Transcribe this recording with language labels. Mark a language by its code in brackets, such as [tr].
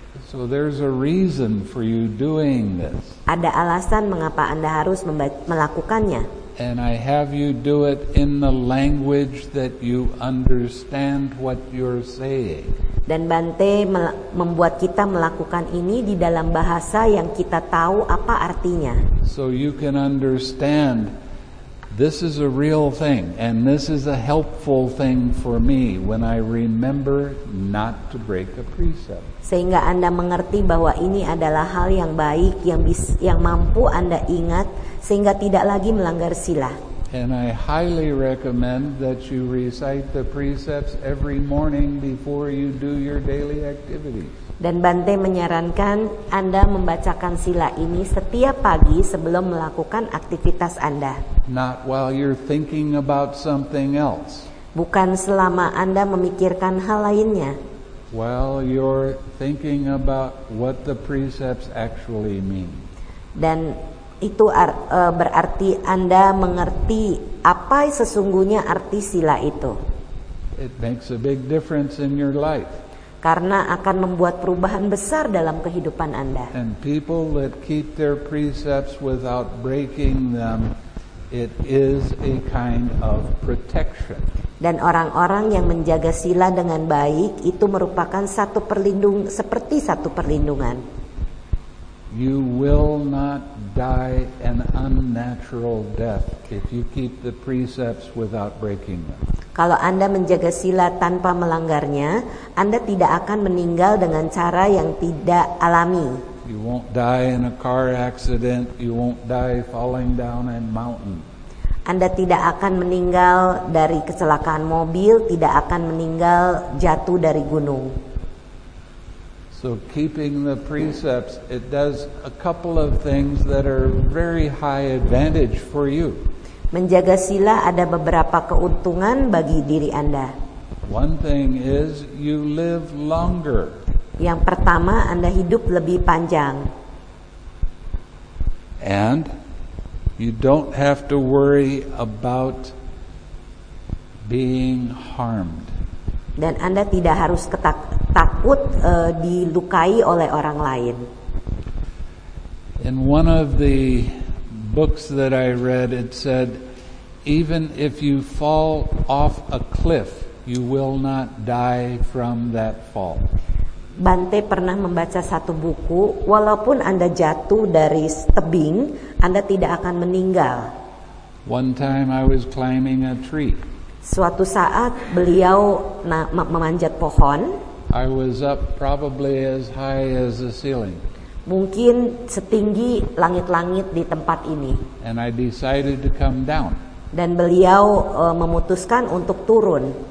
[en] So there's a reason for you doing this. [id] Ada alasan mengapa Anda harus melakukannya. [en] And I have you do it in the language that you understand what you're saying. [id] Dan Bante membuat kita melakukan ini di dalam bahasa yang kita tahu apa artinya. [en] So you can understand this is a real thing and this is a helpful thing for me when I remember not to break a precept. [id] Sehingga Anda mengerti bahwa ini adalah hal yang baik yang mampu Anda ingat sehingga tidak lagi melanggar sila. [en] And I highly recommend that you recite the precepts every morning before you do your daily activities. [id] Dan Bante menyarankan Anda membacakan sila ini setiap pagi sebelum melakukan aktivitas Anda. [en] Not while you're thinking about something else. [id] Bukan selama Anda memikirkan hal lainnya. [en] While you're thinking about what the precepts actually mean. [id] Dan itu berarti Anda mengerti apa sesungguhnya arti sila itu. [en] It makes a big difference in your life. [id] Karena akan membuat perubahan besar dalam kehidupan Anda. [en] And people that keep their precepts without breaking them, it is a kind of protection. [id] Dan orang-orang yang menjaga sila dengan baik itu merupakan seperti satu perlindungan. [en] You will not die an unnatural death if you keep the precepts without breaking them. [id] Kalau Anda menjaga sila tanpa melanggarnya, Anda tidak akan meninggal dengan cara yang tidak alami. [en] You won't die in a car accident, you won't die falling down a mountain. [id] Anda tidak akan meninggal dari kecelakaan mobil, tidak akan meninggal jatuh dari gunung. [en] So keeping the precepts, it does a couple of things that are very high advantage for you. [id] Menjaga sila ada beberapa keuntungan bagi diri Anda. [en] One thing is you live longer. [id] Yang pertama, Anda hidup lebih panjang. [en] And you don't have to worry about being harmed. [id] Dan Anda tidak harus takut dilukai oleh orang lain. [en] In one of the books that I read, it said, even if you fall off a cliff, you will not die from that fall. [id] Bante pernah membaca satu buku, walaupun Anda jatuh dari tebing, Anda tidak akan meninggal. [en] One time I was climbing a tree. [id] Suatu saat beliau memanjat pohon. [en] I was up probably as high as the ceiling. [id] Mungkin setinggi langit-langit di tempat ini. [en] And I decided to come down. [id] Dan beliau memutuskan untuk turun.